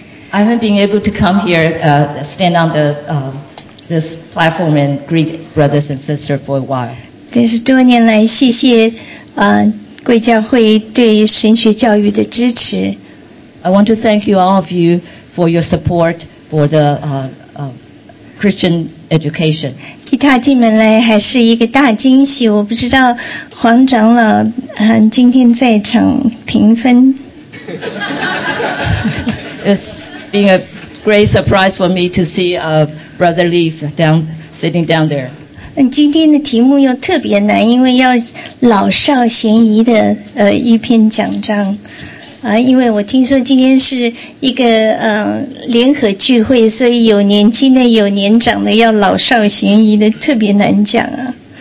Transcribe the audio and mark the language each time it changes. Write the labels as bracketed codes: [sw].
[en] I haven't been able to come here, stand on this platform and greet brothers and sisters for a while. [zh] 但是多年来，谢谢贵教会对神学教育的支持。 [en] I want to thank you all of you for your support for the Christian education. [zh] 一踏进门来还是一个大惊喜，我不知道黄长老今天在场评分。 [en] It's been a great surprise for me to see Brother Lee sitting down there. [zh] 今天的题目又特别难，因为要老少咸宜的一篇讲章。因为我听说今天是一个联合聚会，所以有年轻的，有年长的，要老少咸宜的，特别难讲啊。